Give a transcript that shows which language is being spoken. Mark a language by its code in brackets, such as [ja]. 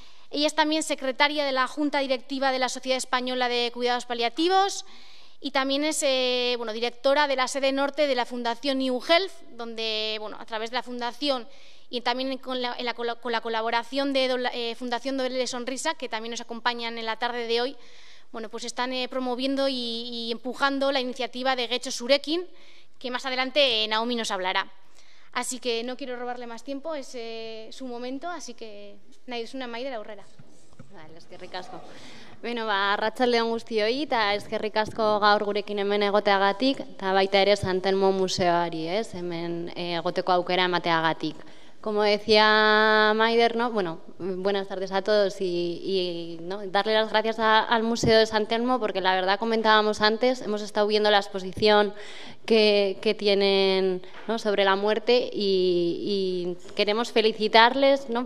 [es] Ella es también secretaria de la Junta Directiva de la Sociedad Española de Cuidados Paliativos, y también es bueno, directora de la sede norte de la Fundación New Health, donde, bueno, a través de la Fundación y también con la colaboración de Fundación Doble Sonrisa, que también nos acompañan en la tarde de hoy, bueno, pues están promoviendo y empujando la iniciativa de Getxo Zurekin, que más adelante Naomi nos hablará. Así que no quiero robarle más tiempo, es su momento, así que [eu] nahi duzuna Maider aurrera. Vale, eskerrik asko. Bueno, ba, arratsaldeon guztioi, eta eskerrik asko gaur gurekin hemen egoteagatik, eta baita ere San Telmo Museoari, ez, hemen egoteko aukera emateagatik. [es] Como decía Maider, ¿no? Bueno, buenas tardes a todos y ¿no? darle las gracias al Museo de San Telmo, porque la verdad comentábamos antes, hemos estado viendo la exposición que tienen, ¿no? sobre la muerte y queremos felicitarles, ¿no?